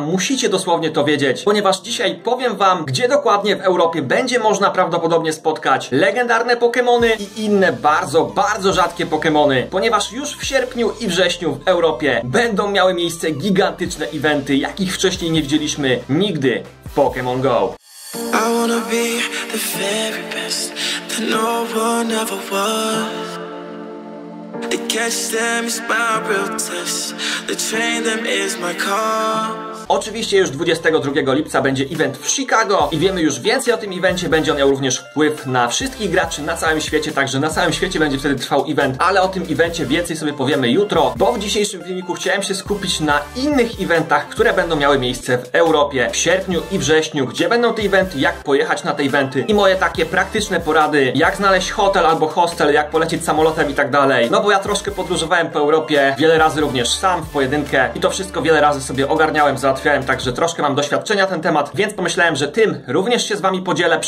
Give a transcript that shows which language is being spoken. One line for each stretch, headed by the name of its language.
Polish: Musicie dosłownie to wiedzieć, ponieważ dzisiaj powiem wam, gdzie dokładnie w Europie będzie można prawdopodobnie spotkać legendarne Pokémony i inne bardzo, bardzo rzadkie Pokémony. Ponieważ już w sierpniu i wrześniu w Europie będą miały miejsce gigantyczne eventy, jakich wcześniej nie widzieliśmy nigdy w Pokémon Go.
English: I wanna be the very best that no one ever was. To catch them is my real test. To train them is my cause.
Polish: Oczywiście już 22 lipca będzie event w Chicago i wiemy już więcej o tym evencie, będzie on miał również wpływ na wszystkich graczy na całym świecie, także na całym świecie będzie wtedy trwał event, ale o tym evencie więcej sobie powiemy jutro, bo w dzisiejszym filmiku chciałem się skupić na innych eventach, które będą miały miejsce w Europie w sierpniu i wrześniu, gdzie będą te eventy, jak pojechać na te eventy i moje takie praktyczne porady, jak znaleźć hotel albo hostel, jak polecieć samolotem i tak dalej, no bo ja troszkę podróżowałem po Europie wiele razy również sam w pojedynkę i to wszystko wiele razy sobie ogarniałem, za także troszkę mam doświadczenia ten temat, więc pomyślałem, że tym również się z wami podzielę.